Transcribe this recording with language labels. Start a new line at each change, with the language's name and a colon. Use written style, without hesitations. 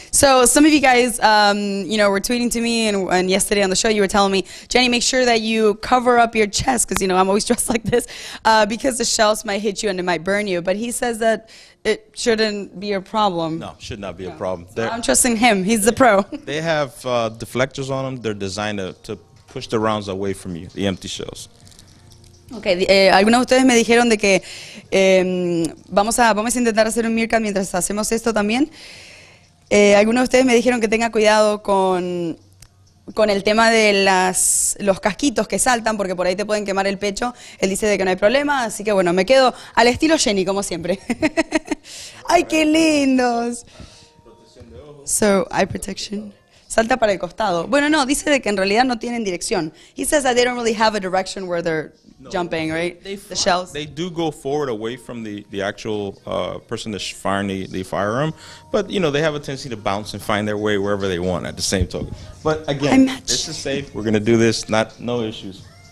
English: So some of you guys, you know, were tweeting to me and yesterday on the show, you were telling me, Jenny, make sure that you cover up your chest because, you know, I'm always dressed like this because the shells might hit you and it might burn you. But he says that it shouldn't be a problem. No, should not be a problem. So I'm trusting him. He's the pro. They have deflectors on them. They're designed to push the rounds away from you, the empty shells.
Spanish: Okay, algunos de ustedes me dijeron de que vamos a intentar hacer un meerkat mientras hacemos esto también. Algunos de ustedes me dijeron que tenga cuidado con el tema de los casquitos que saltan, porque por ahí te pueden quemar el pecho. Él dice de que no hay problema, así que bueno, me quedo al estilo Jenny, como siempre. ¡Ay, qué lindos!
English: So, eye protection.
Spanish: Salta para el costado. Bueno, no, dice de que en realidad no tienen dirección.
English: He says that they don't really have a direction where they're... No, jumping, right? The shells. They do go forward away from the actual person that's firing the firearm. But, you know, they have a tendency to bounce and find their way wherever they want at the same token. But again, this is safe. We're going to do this. No issues.